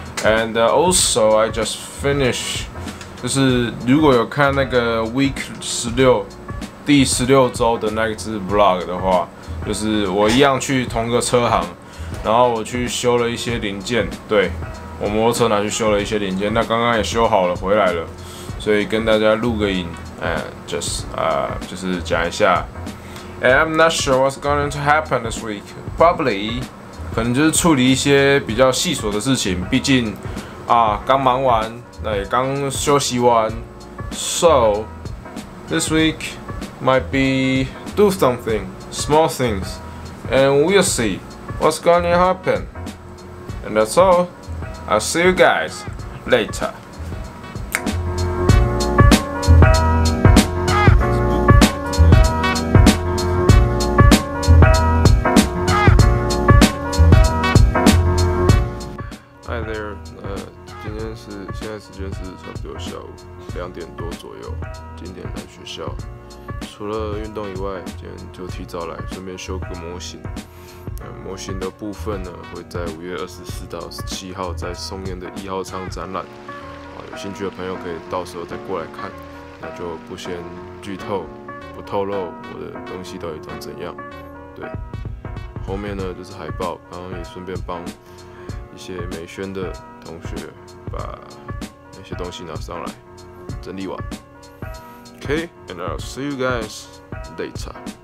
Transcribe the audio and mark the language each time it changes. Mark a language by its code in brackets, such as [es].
[en] And also I just finished， [zh] 就是如果有看那个 Week 16第16周的那支 Vlog 的话。就是我一样去同个车行，然后我去修了一些零件，对，我摩托车拿去修了一些零件，那刚刚也修好了回来了，所以跟大家录个影，就是讲一下。 [en] I'm not sure what's going to happen this week. [zh] Probably， 可能就是处理一些比较细琐的事情，毕竟啊刚忙完，那也刚休息完 ， [en] so this week might be do something。 Small things, and we'll see what's gonna happen. And that's all. I'll see you guys later. Hi there. [zh] 今天是现在时间是差不多下午两点多左右，今天来学校。除了运动以外，今天就提早来，顺便修个模型。模型的部分呢，会在5月24到27号在松烟的一号舱展览。有兴趣的朋友可以到时候再过来看。那就不先剧透，不透露我的东西到底长怎样。对，后面呢就是海报，刚刚也顺便帮一些美宣的同学把那些东西拿上来整理完。 [en] Okay, and I'll see you guys later.